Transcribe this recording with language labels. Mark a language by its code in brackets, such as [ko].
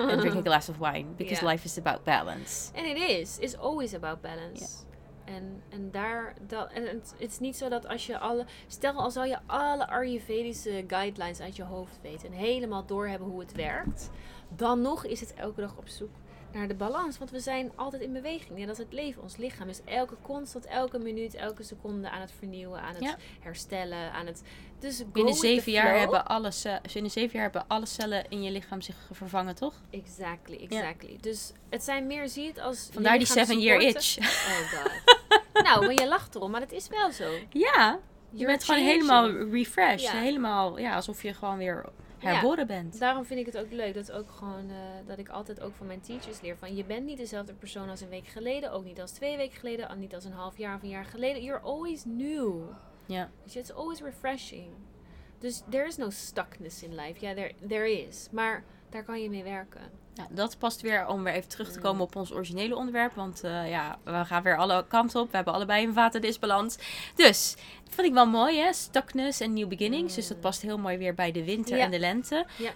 [en] And drink a glass of wine. Because life is about balance. And it is. It's always about balance. [nl] Ja. En daar... En het is niet zo dat als je alle... Stel al zou je alle Ayurvedische guidelines uit je hoofd weten. En helemaal doorhebben hoe het werkt. Dan nog is het elke dag op zoek. Naar de balans, want we zijn altijd in beweging. Ja, dat is het leven. Ons lichaam is elke constant, elke minuut, elke seconde aan het vernieuwen, aan het herstellen, aan het... Dus binnen 7 jaar hebben alle cellen in je lichaam zich vervangen, toch? [en] Exactly, exactly. Ja. [nl] Dus het zijn meer, zie het als... Vandaar die 7-year itch. Oh god. Nou, maar je lacht erom, maar het is wel zo. Ja, je bent gewoon helemaal refreshed. Ja. Helemaal, alsof je gewoon weer... herboren bent. Daarom vind ik het ook leuk dat ook gewoon dat ik altijd ook van mijn teachers leer van je bent niet dezelfde persoon als een week geleden, ook niet als 2 weken geleden, niet als een half jaar of een jaar geleden. [en] You're always new. [nl] Ja. [en] Yeah. It's always refreshing. Dus there is no stuckness in life. Ja, there is. [nl] Maar daar kan je mee werken. Ja, dat past weer om weer even terug te komen op ons originele onderwerp. Want we gaan weer alle kanten op. We hebben allebei een vata-disbalans. Dus, vond ik wel mooi, hè? Stuckness en [en] new beginnings. [nl] Mm. Dus dat past heel mooi weer bij de winter en de lente. Ja.